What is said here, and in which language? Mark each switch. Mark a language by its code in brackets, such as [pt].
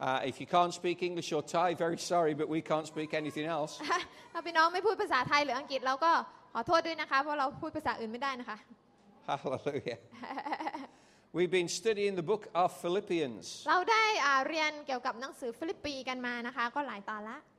[en] If you can't speak English or Thai, very sorry, but we can't speak anything else. [th] ถ้าพี่น้องไม่พูดภาษาไทยหรืออังกฤษเราก็ขอโทษด้วยนะคะเพราะเราพูดภาษาอื่นไม่ได้นะคะ [en] Hallelujah. We've been studying the book of Philippians. [th] เราได้เรียนเกี่ยวกับหนังสือฟิลิปปีกันมานะคะก็หลายตอนละ